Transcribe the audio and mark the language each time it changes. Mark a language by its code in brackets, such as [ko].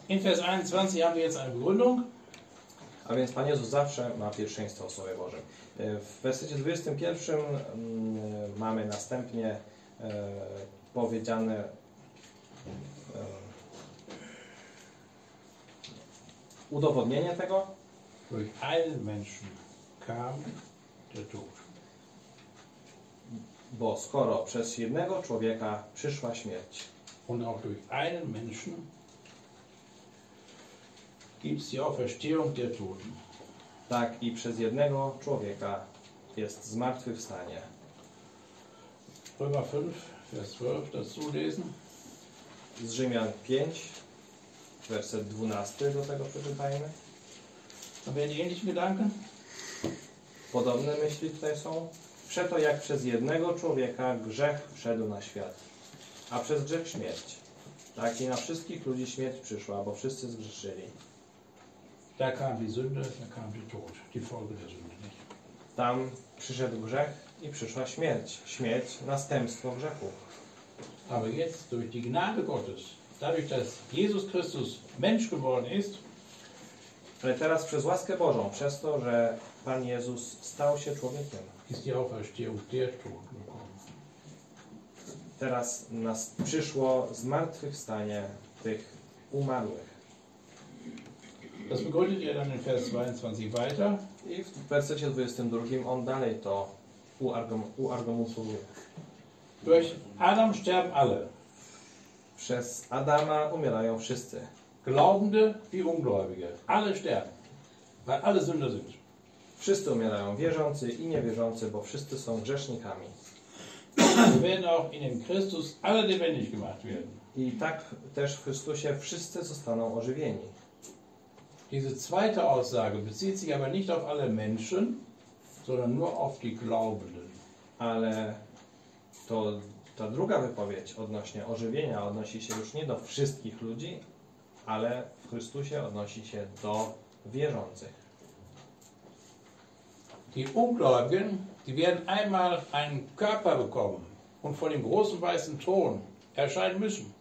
[de] In Vers 21 haben wir jetzt eine Begründung. [pl] A więc Pan Jezus zawsze ma pierwszeństwo w Słowie Bożym. W wersecie 21 mamy następnie powiedziane udowodnienie tego. [de] Durch alle Menschen kam der Tod. [pl] Bo skoro przez jednego człowieka przyszła śmierć. [de] Und auch durch einen Menschen gibt es die Auferstehung der Toten. [pl] Tak i przez jednego człowieka jest zmartwychwstanie. [de] Römer 5, vers 12, dazu lesen. [pl] Z Rzymian 5, werset 12, do tego przeczytajmy. [de] Haben wir die ähnlichen Gedanken? [pl] Podobne myśli tutaj są. Przeto jak przez jednego człowieka grzech wszedł na świat, a przez grzech śmierć. Tak i na wszystkich ludzi śmierć przyszła, bo wszyscy zgrzeszyli. [de] Da kam die Sünde, da kam die Tod, die Folge der Sünde, nicht? [pl] Tam przyszedł grzech i przyszła śmierć. Śmierć, następstwo grzechu. [de] Aber jetzt durch die Gnade Gottes, dadurch, dass Jesus Christus Mensch geworden ist, [pl] ale teraz przez łaskę Bożą, przez to, że Pan Jezus stał się człowiekiem, [de] ist die Auferstehung der Toten. [pl] Teraz nas przyszło zmartwychwstanie tych umarłych. [de] Das begründet er dann in Vers 22 weiter. [pl] I w wersecie 22 on dalej to uargumentuje. [de] Durch Adam sterben alle. [pl] Przez Adama umierają wszyscy. [de] Glaubende wie Ungläubige. Alle sterben, weil alle Sünder sind. [pl] Wszyscy umierają, wierzący i niewierzący, bo wszyscy są grzesznikami. [de] Sie werden auch in dem Christus alle lebendig gemacht werden. [pl] I tak też w Chrystusie wszyscy zostaną ożywieni. [de] Diese zweite Aussage bezieht sich aber nicht auf alle Menschen, sondern nur auf die Glaubenden. [pl] Ale to ta druga wypowiedź odnośnie ożywienia odnosi się już nie do wszystkich ludzi, ale w Chrystusie odnosi się do wierzących. [de] Die Ungläubigen, die werden einmal einen Körper bekommen und vor dem großen weißen Thron erscheinen müssen.